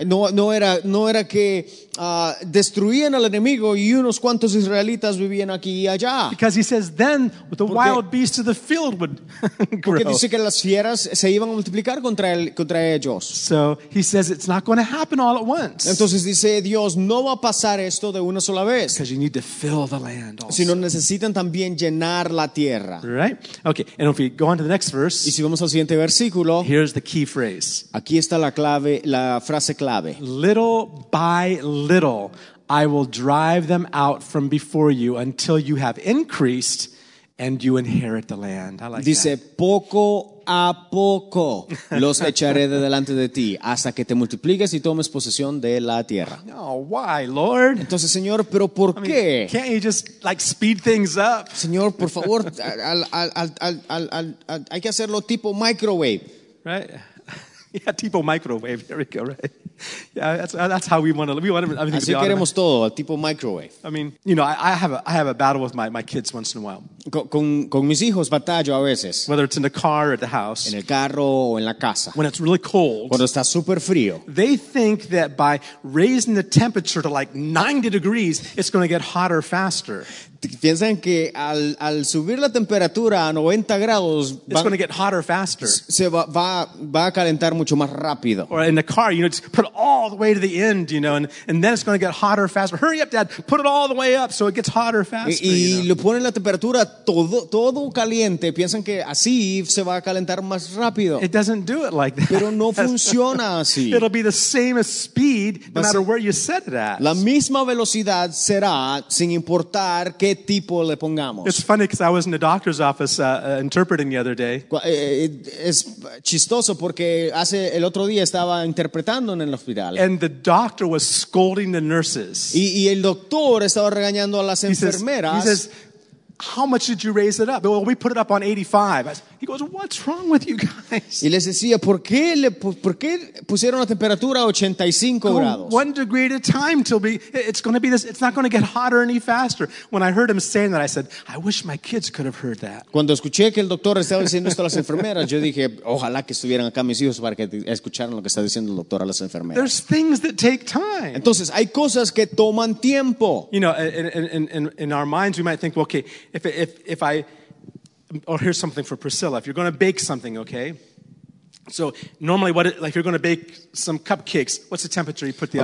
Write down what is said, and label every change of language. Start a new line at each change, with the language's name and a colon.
Spanish: No era que destruían al enemigo y unos cuantos israelitas vivían aquí y allá.
English: Because he says, then the wild beasts of the field would grow.
Spanish: Porque dice que las fieras se iban a multiplicar contra ellos.
English: So he says, it's not going to happen all at once.
Spanish: Entonces dice Dios, no va a pasar esto de una sola vez.
English: Because you need to fill the land also.
Spanish: Sino necesitan también llenar la tierra.
English: Right? Okay, and if we go on to the next verse.
Spanish: Y si vamos al siguiente versículo.
English: Here's the key phrase.
Spanish: Aquí está la frase clave.
English: Little by little, I will drive them out from before you until you have increased and you inherit the land. I like
Spanish: dice,
English: that.
Spanish: Dice, poco a poco los echaré de delante de ti hasta que te multipliques y tomes posesión de la tierra.
English: No, why, Lord?
Spanish: Entonces, Señor, ¿pero por qué?
English: Can't you just like speed things up?
Spanish: Señor, por favor, al, hay que hacerlo tipo microwave.
English: Right? Yeah,
Spanish: tipo microwave.
English: There we go, right? Yeah, that's how we want to. We want everything to be
Spanish: queremos automated. Todo, tipo microwave.
English: I mean, you know, I have a battle with my kids once in a while.
Spanish: Con mis hijos batallo a veces.
English: Whether it's in the car or at the house.
Spanish: En el carro o en la casa.
English: When it's really cold.
Spanish: Cuando está super frío.
English: They think that by raising the temperature to like 90 degrees, it's going to get hotter faster.
Spanish: Piensan que al subir la temperatura a 90 grados
English: va, it's going to get hotter faster.
Spanish: Se va a calentar mucho más rápido.
English: Or in the car, you know, just put it all the way to the end, you know, and then it's going to get hotter faster. Hurry up, Dad, put it all the way up so it gets hotter faster.
Spanish: Y lo ponen la temperatura todo caliente. Piensan que así se va a calentar más rápido.
English: It doesn't do it like that.
Spanish: Pero no funciona así.
English: It'll be the same speed no matter where you set it at.
Spanish: La misma velocidad será sin importar qué tipo le pongamos.
English: It's funny because I was in the doctor's office interpreting the other day.
Spanish: Es chistoso porque hace el otro día estaba interpretando en el hospital.
English: And the doctor was scolding the nurses.
Spanish: Y el doctor estaba regañando a las enfermeras.
English: He says, how much did you raise it up? Well, we put it up on 85. He goes, what's wrong with you guys?
Spanish: Y les decía, ¿por qué pusieron la temperatura a 85 grados?
English: One degree at a time till it's going to be this. It's not going to get hotter any faster. When I heard him saying that, I said, I wish my kids could have heard that.
Spanish: Cuando escuché que el doctor estaba diciendo esto a las enfermeras, yo dije, ojalá que estuvieran acá mis hijos para que escucharan lo que está diciendo el doctor a las enfermeras.
English: There's things that take time.
Spanish: Entonces, hay cosas que toman tiempo.
English: You know, in our minds, we might think, well, okay, if I or here's something for Priscilla. If you're going to bake something, okay? So normally, if you're going to bake some cupcakes, what's the temperature you put the oven